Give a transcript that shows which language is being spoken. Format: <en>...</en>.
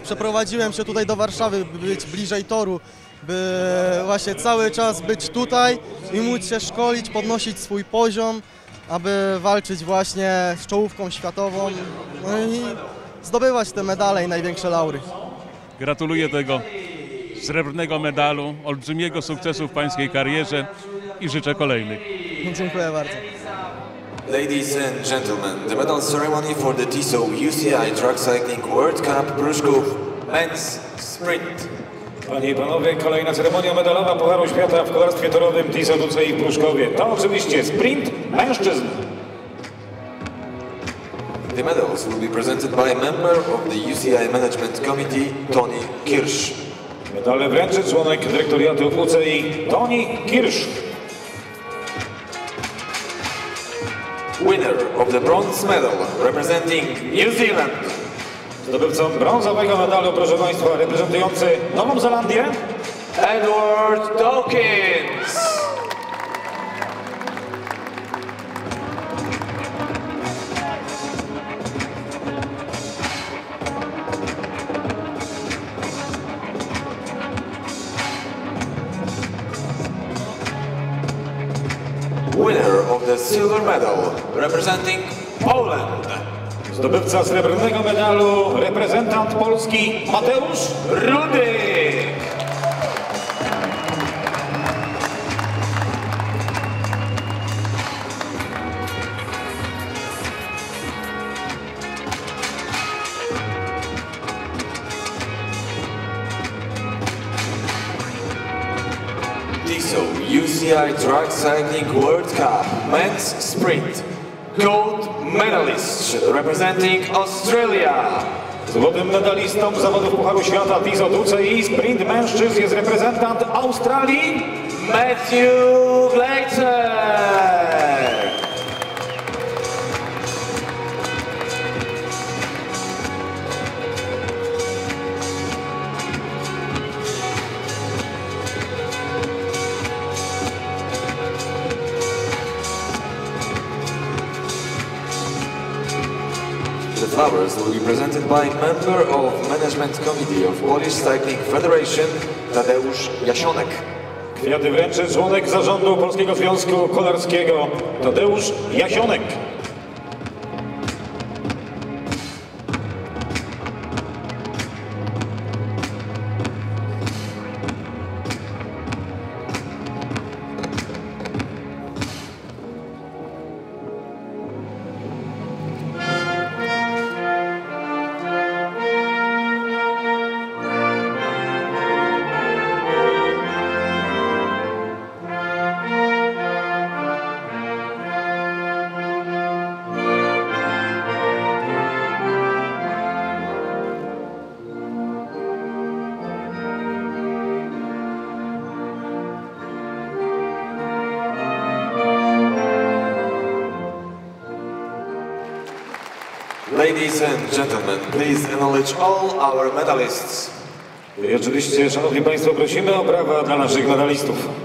<pl>Przeprowadziłem się tutaj do Warszawy, by być bliżej toru, by właśnie cały czas być tutaj i móc się szkolić, podnosić swój poziom, aby walczyć właśnie z czołówką światową i zdobywać te medale i największe laury. Gratuluję tego srebrnego medalu, olbrzymiego sukcesu w pańskiej karierze i życzę kolejnych. Dziękuję bardzo.</pl> <en>Ladies and gentlemen, the medal ceremony for the TISO UCI Track Cycling World Cup Pruszków Men's Sprint.</en> <pl>Panie i panowie, kolejna ceremonia medalowa Pucharu Świata w kolarstwie torowym TISO UCI w Pruszkowie. To oczywiście sprint mężczyzn.</pl> <en>The medals will be presented by a member of the UCI Management Committee, Tony Kirsch.</en> <pl>Medale wręczy członek dyrektoriatu UCI, Tony Kirsch.</pl> <en>Winner of the bronze medal, representing New Zealand.</en> <pl>Zdobywcą brązowego medalu, proszę Państwa, reprezentujący Nową Zelandię, Edward Dawkins.</pl> <en>Winner of the silver medal, representing Poland.</en> <pl>Zdobywca srebrnego medalu, reprezentant Polski, Mateusz Rudyk.</pl> <en>TISO UCI Track Cycling World Cup Men's Sprint. Gold medalist representing Australia.</en> <pl>Złotym medalistą z zawodów Pucharu Świata TISO UCI Sprint mężczyzn jest reprezentant Australii, Matthew Glater.</pl> <en>Flowers will be presented by member of Management Committee of Polish Cycling Federation, Tadeusz Jasionek.</en> <pl>Kwiaty wręczy członek zarządu Polskiego Związku Kolarskiego, Tadeusz Jasionek.</pl> <en>Ladies and gentlemen, please acknowledge all our medalists.</en> <pl>I oczywiście, szanowni państwo, prosimy o brawa dla naszych medalistów.</pl>